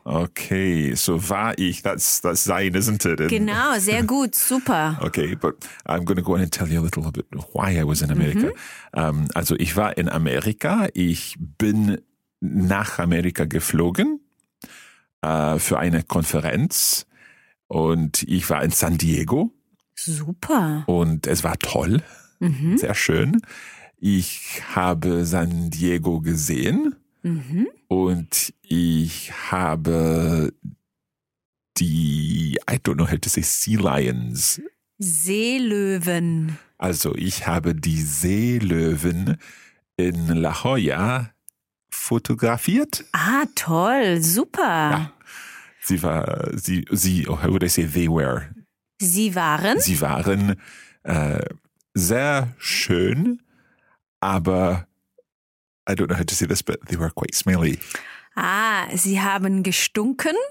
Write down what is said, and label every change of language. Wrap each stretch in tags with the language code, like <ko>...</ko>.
<en>Okay,</en> <de>so war ich,</de> <en>that's sein, isn't it?</en> <de>Genau, sehr gut, super.</de> <en>Okay, but I'm going to go on and tell you a little bit why I was in Amerika. Mm-hmm.</en> <de>Also, ich war in Amerika, ich bin nach Amerika geflogen. Für eine Konferenz und ich war in San Diego. Super. Und es war toll, mhm. sehr schön. Ich habe San Diego gesehen mhm. und ich habe die,</de> <en>I don't know how to say, sea lions.</en> <de>Seelöwen. Also ich habe die Seelöwen in La Jolla fotografiert. Ah, toll, super. Ja. Sie waren sehr schön, aber</de> <en>I don't know how to say this, but they were quite smelly.</en> <de>Ah, sie haben gestunken.</de>